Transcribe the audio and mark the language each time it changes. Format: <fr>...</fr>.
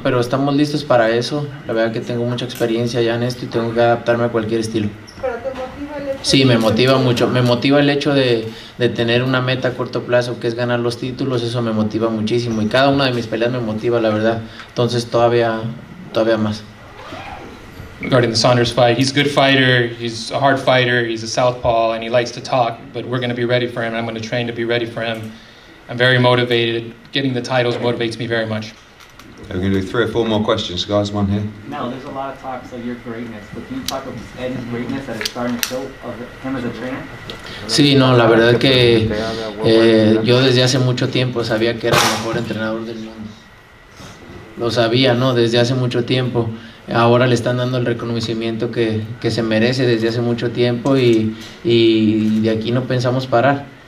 <es>Pero estamos listos para eso. La verdad que tengo mucha experiencia ya en esto y tengo que adaptarme a cualquier estilo. ¿Pero te motiva el hecho? Sí, me motiva mucho. Me motiva el hecho de tener una meta a corto plazo, que es ganar los títulos. Eso me motiva muchísimo. Y cada una de mis peleas me motiva, la verdad. Entonces, todavía más.</es> <en>Regarding the Saunders fight, he's a good fighter. He's a hard fighter. He's a southpaw and he likes to talk. But we're going to be ready for him. I'm going to train to be ready for him. I'm very motivated. Getting the titles motivates me very much. We're going to do three or four more questions, guys. One here. Now, there's a lot of talks of your greatness, but can you talk of Eddie's greatness that is starting to show of him as a trainer?</en> <es>Sí, no, la verdad que yo desde hace mucho tiempo sabía que era el mejor entrenador del mundo. Lo sabía, ¿no? Desde hace mucho tiempo. Ahora le están dando el reconocimiento que se merece desde hace mucho tiempo y de aquí no pensamos parar.</es>